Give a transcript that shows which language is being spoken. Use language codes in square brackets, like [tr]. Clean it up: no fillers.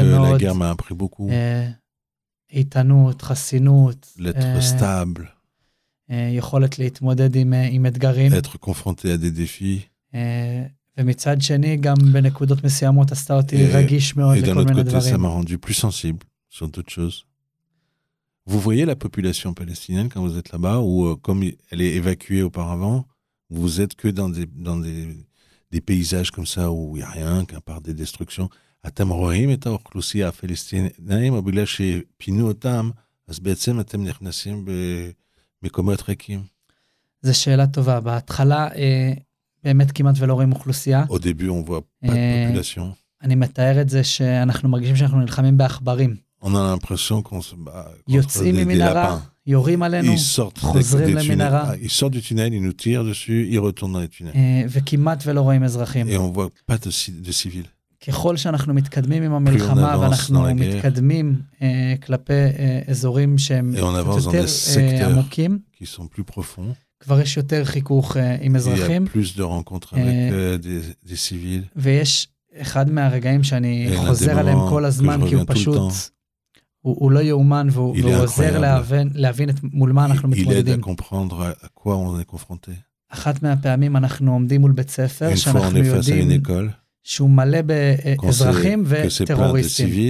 [fr] la guerre m'a appris beaucoup. L'être stable. Être confronté à des défis. [he] ומצד שני, גם בנקודות מסוימות עשתה אותי רגיש מאוד לכל מיני דברים. [fr] Et d'un autre côté, ça m'a rendu plus sensible sur d'autres choses. Vous voyez la population palestinienne quand vous êtes là-bas, ou comme elle est évacuée auparavant, vous êtes que dans des paysages comme ça, où il n'y a rien, qu'à part des destructions. [he] אתם רואים את האוכלוסייה הפלסטינית, או בגלל שפינו אותם, אז בעצם אתם נכנסים במקומות ריקים. זה שאלה טובה. בהתחלה, באמת כמעט ולא רואים אוכלוסייה. [fr] Au début, on voit pas de population. [he] אני מתאר את זה שאנחנו מרגישים שאנחנו נלחמים באכברים. [fr] On a l'impression qu'on se bat. [he] יוצאים ממנהרה, יורים עלינו, חוזרים למנהרה. [fr] Ils sortent du tunnel, ils nous tirent dessus, ils retournent dans le tunnel. [he] וכמעט ולא רואים אזרחים. [fr] Et on voit pas de civil. [he] ככל שאנחנו מתקדמים עם המלחמה, ואנחנו מתקדמים כלפי אזורים שהם יותר עמוקים, [fr] qui sont plus profonds. [he] כבר יש יותר חיכוך עם אזרחים. [fr] Il y a plus de rencontres avec des civils. [he] ויש אחד מהרגעים שאני חוזר עליהם כל הזמן, כי הוא פשוט, הוא לא יאומן, והוא עוזר להבין מול מה אנחנו מתמודדים. [fr] Il aide à comprendre à quoi on est confronté. [he] אחת מהפעמים אנחנו עומדים מול בית ספר, שאנחנו יודעים שהוא מלא באזרחים וטרוריסטים.